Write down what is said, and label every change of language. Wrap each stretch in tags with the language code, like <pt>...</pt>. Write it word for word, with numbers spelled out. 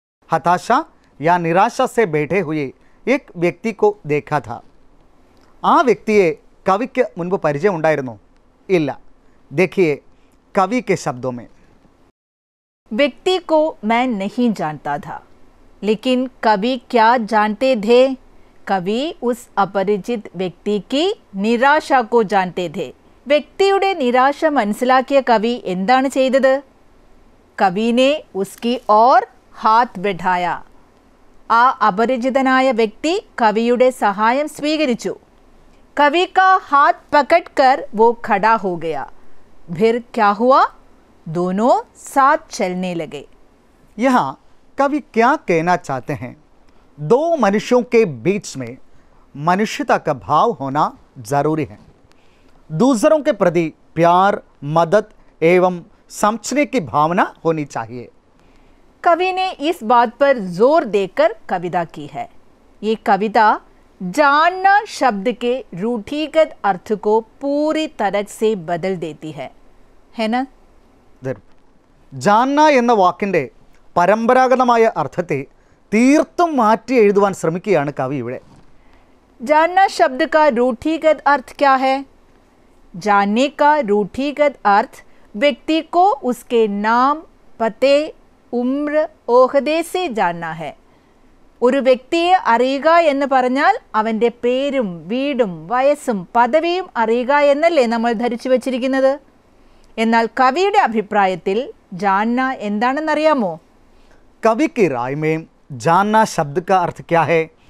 <hi>हताशा या निराशा से बैठे हुए एक व्यक्ति को देखा था.</hi> <ml>ആ വ്യക്തിയെ കവിക്ക് മുൻപ് പരിചയം ഉണ്ടായിരുന്നോ? ഇല്ല.</ml> <hi>देखिए कवि के शब्दों में. व्यक्ति को मैं नहीं जानता था, लेकिन कवि क्या जानते थे? कवि उस अपरिचित व्यक्ति की निराशा को जानते थे.</hi> <ml>വ്യക്തിയുടെ നിരാശ മനസ്സിലാക്കിയ കവി എന്താണ് ചെയ്തത്?</ml> <hi>കവിനെ उसकी ओर हाथ बढ़ाया.</hi> <ml>ആ അപരിചിതനായ വ്യക്തി കവിയുടെ സഹായം സ്വീകരിച്ചു.</ml> <hi>कवि का हाथ पकड़कर वो खड़ा हो गया. फिर क्या हुआ? दोनों साथ चलने लगे. यहाँ कवि क्या कहना चाहते हैं? दो मनुष्यों के बीच में मनुष्यता का भाव होना जरूरी है. दूसरों के प्रति प्यार, मदद एवं समझने की भावना होनी चाहिए. कवि ने इस बात पर जोर देकर कविता की है. ये कविता जानना शब्द के रूढ़िगत अर्थ को पूरी तरह से बदल देती है, है ना?</hi> <ml>जानना എന്ന വാക്കിൻ്റെ പരമ്പരാഗതമായ അർത്ഥത്തെ തീർത്തും മാറ്റി എഴുതുവാൻ ശ്രമിക്കുകയാണ് കവി ഇവിടെ.</ml> <hi>जानना शब्द का रूढ़िगत अर्थ क्या है? जानने का रूढ़िगत अर्थ व्यक्ति को उसके नाम, पते, उम्र, ओहदे से जानना है.</hi> <ml>ഒരു വ്യക്തിയെ അറിയുക എന്ന് പറഞ്ഞാൽ അവൻ്റെ പേരും വീടും വയസ്സും പദവിയും അറിയുക എന്നല്ലേ നമ്മൾ ധരിച്ചു വച്ചിരിക്കുന്നത്. എന്നാൽ കവിയുടെ അഭിപ്രായത്തിൽ ജാന്ന എന്താണെന്നറിയാമോ?</ml> <hi>കവിക്ക് റായ്മേം ജാന്ന ശബ്ദ കാ അർത്ഥ ക്യാ ഹൈ?</hi>